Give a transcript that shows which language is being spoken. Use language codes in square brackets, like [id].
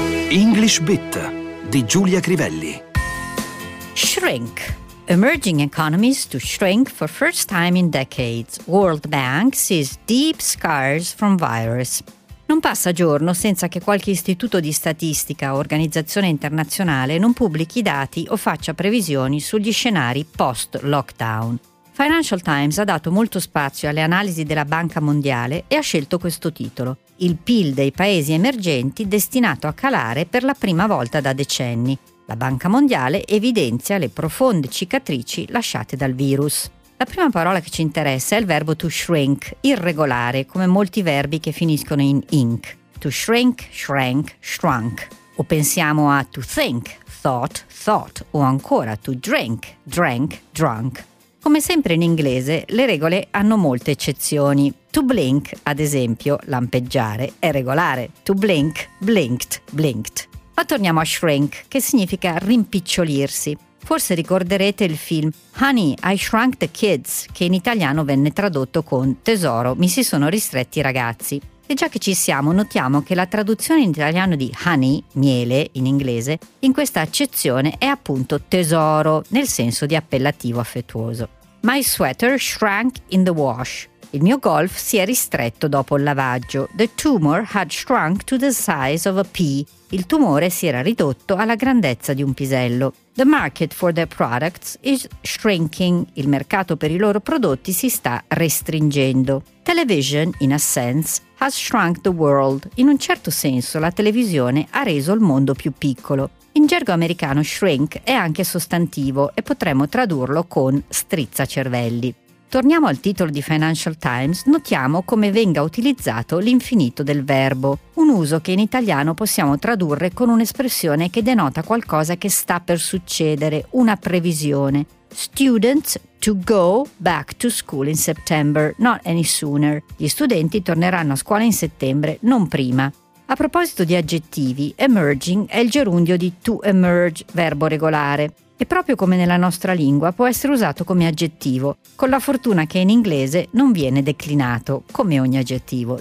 [it] English Bit di Giulia Crivelli. [en] Shrink. Emerging economies to shrink for first time in decades. World Bank sees deep scars from virus. [it] Non passa giorno senza che qualche istituto di statistica o organizzazione internazionale non pubblichi dati o faccia previsioni sugli scenari post-lockdown. Financial Times ha dato molto spazio alle analisi della Banca Mondiale e ha scelto questo titolo: il PIL dei paesi emergenti destinato a calare per la prima volta da decenni. La Banca Mondiale evidenzia le profonde cicatrici lasciate dal virus. La prima parola che ci interessa è il verbo to shrink, irregolare, come molti verbi che finiscono in ink. [en] To shrink, shrank, shrunk. [it] O pensiamo a [en] to think, thought, thought, [it] o ancora [en] to drink, drank, drunk. [it] Come sempre in inglese, le regole hanno molte eccezioni. To blink, ad esempio, lampeggiare, è regolare. [en] To blink, blinked, blinked. [it] Ma torniamo a shrink, che significa rimpicciolirsi. Forse ricorderete il film Honey, I Shrunk the Kids, che in italiano venne tradotto con Tesoro, mi si sono ristretti i ragazzi. E già che ci siamo, notiamo che la traduzione in italiano di honey, miele, in inglese, in questa accezione è appunto tesoro, nel senso di appellativo affettuoso. [en] My sweater shrank in the wash. [it] Il mio golf si è ristretto dopo il lavaggio. [en] The tumor had shrunk to the size of a pea. [it] Il tumore si era ridotto alla grandezza di un pisello. [en] The market for their products is shrinking. [it] Il mercato per i loro prodotti si sta restringendo. [en] Television, in a sense, has shrunk the world. [it] In un certo senso, la televisione ha reso il mondo più piccolo. In gergo americano, shrink è anche sostantivo e potremmo tradurlo con strizza cervelli. Torniamo al titolo di Financial Times, notiamo come venga utilizzato l'infinito del verbo, un uso che in italiano possiamo tradurre con un'espressione che denota qualcosa che sta per succedere, una previsione. [en] Students to go back to school in September, not any sooner. [it] Gli studenti torneranno a scuola in settembre, non prima. A proposito di aggettivi, emerging è il gerundio di to emerge, verbo regolare. E proprio come nella nostra lingua può essere usato come aggettivo, con la fortuna che in inglese non viene declinato, come ogni aggettivo.